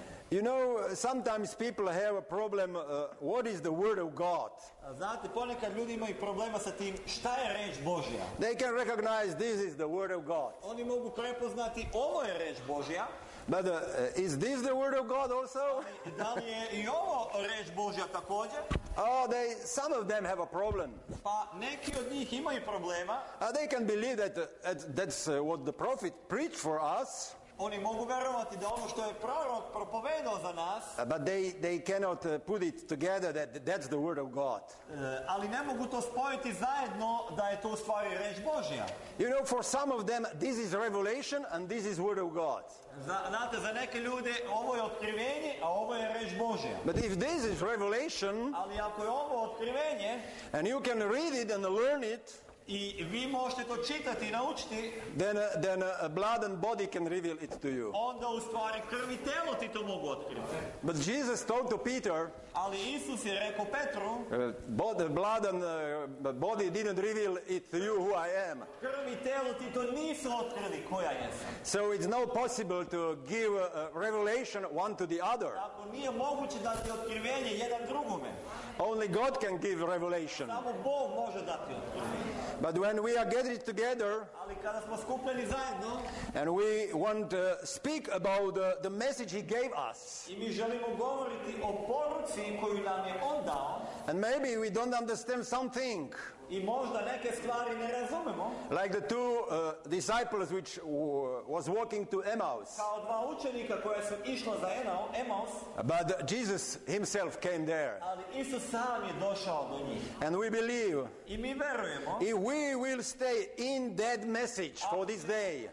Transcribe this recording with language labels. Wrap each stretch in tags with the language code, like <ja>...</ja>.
<en>You know, sometimes people have a problem, what is the Word of God?</en> <sr>Znate, ponekad ljudi imaju problema sa tim, šta je reč Božja?</sr> <en>They can recognize this is the Word of God.</en> <sr>Oni mogu prepoznati, ovo je reč Božja.</sr> <en>But is this the Word of God also?</en> <sr>Da li je i ovo reč Božja također?</sr> <en>Oh, some of them have a problem.</en> <sr>Pa neki od njih imaju problema.</sr> <en>They can believe that that's what the prophet preached for us.</en> <sr>Oni mogu vjerovati da ono što je prorok propovedao za nas.</sr> <en>But they cannot put it together that's the Word of God.</en> <sr>Ali ne mogu to spojiti zajedno da je to u stvari reč Božja.</sr> <en>You know, for some of them this is revelation and this is Word of God.</en> <sr>Znate, za neke ljude ovo je otkrivenje, a ovo je reč Božja.</sr> <en>But if this is revelation,</en> <sr>ali ako je ovo otkrivenje,</sr> <en>and you can read it and learn it,</en> <sr>i vi možete to čitati i naučiti,</sr> <en>then blood and body can reveal it to you.</en> <sr>Onda u stvari krv i telo ti to mogu otkriti.</sr> <en>But Jesus told to Peter,</en> <sr>ali Isus je rekao Petru,</sr> <en>blood and body didn't reveal it to you who I am.</en> <sr>Krv i telo ti to nisu otkrili ko ja jesam.</sr> <en>So it's not possible to give a revelation one to the other.</en> <sr>Tako nije moguće dati otkrivenje jedan drugome.</sr> <en>Only God can give revelation.</en> <sr>Samo Bog može dati otkrivenje.</sr> <en>But when we are gathered together,</en> <sr>ali kada smo skupljeni zajedno,</sr> <en>and we want to speak about the message he gave us,</en> <sr>i mi želimo govoriti o poruci koju nam je on dao,</sr> <en>and maybe we don't understand something,</en> <sr>i možda neke stvari ne razumemo,</sr> <en>like the two disciples which was walking to Emmaus,</en> <sr>kao dva učenika koja su išla za Emmaus,</sr> <en>but Jesus himself came there,</en> <sr>ali Isus sam je došao do njih,</sr> <en>and we believe,</en> <sr>i mi verujemo,</sr> <en>if we will stay in that message for this day,</en>